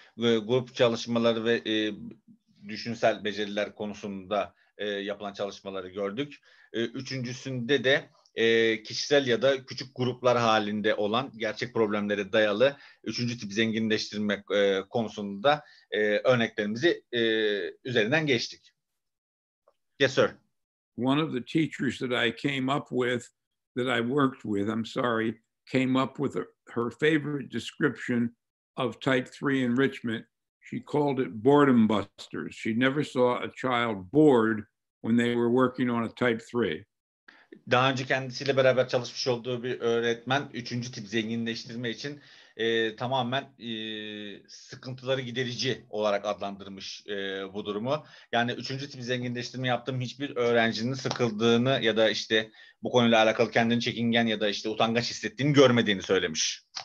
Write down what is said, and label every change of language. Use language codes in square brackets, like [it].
[tr] Grup çalışmaları ve düşünsel beceriler konusunda yapılan çalışmaları gördük. Üçüncüsünde de kişisel ya da küçük gruplar halinde olan gerçek problemlere dayalı üçüncü tip zenginleştirmek konusunda örneklerimizi üzerinden geçtik. [en] Yes, sir. One of the teachers that I came up with, that I worked with, I'm sorry, came up with her favorite description of type 3 enrichment. She called it boredom busters. She never saw a child bored when they were working on a type 3. [tr] Daha önce kendisiyle beraber çalışmış olduğu bir öğretmen, üçüncü tip zenginleştirme için tamamen sıkıntıları giderici olarak adlandırmış bu durumu. Yani üçüncü tip zenginleştirme yaptığım hiçbir öğrencinin sıkıldığını ya da işte bu konuyla alakalı kendini çekingen ya da işte utangaç hissettiğini görmediğini söylemiş.